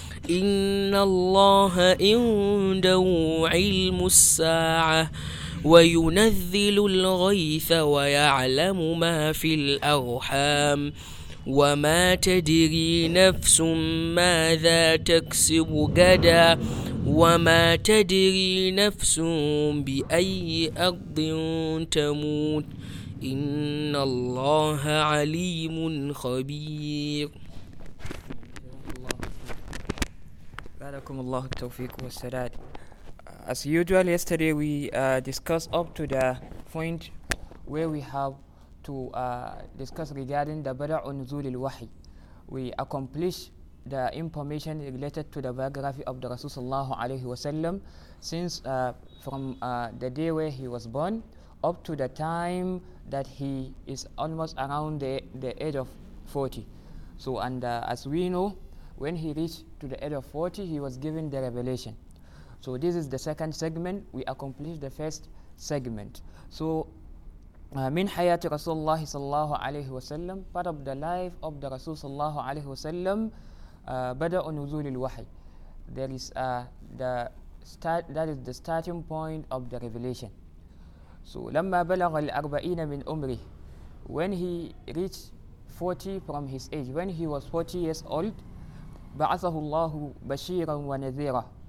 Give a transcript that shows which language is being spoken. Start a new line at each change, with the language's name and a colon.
Arabic: إن الله عنده علم الساعة وينزل الغيث ويعلم ما في الأرحام وما تدري نفس ماذا تكسب غدا وما تدري نفس بأي أرض تموت إن الله عليم خبير. بارككم الله التوفيق والسداد.
English: As usual, yesterday we discussed up to the point where we have to discuss regarding the Bada' Unzul al-Wahi. We accomplish the information related to the biography of the Rasul sallallahu alayhi wa sallam since from the day where he was born up to the time that he is almost around the age of 40. So as we know, when he reached to the age of 40, he was given the revelation. So this is the second segment. We accomplished the first segment.
Arabic: So من حياة رسول الله صلى الله عليه وسلم,
English: part of the life of the
Arabic: رسول صلى الله عليه وسلم, بدأ نزول الوحي.
English: There is the starting point of the revelation. So
Arabic: لما بلغ الأربعين من عمره,
English: when he reached 40 from his age, when he was 40 years old,
Arabic: بعثه الله بشيرا ونذيرا.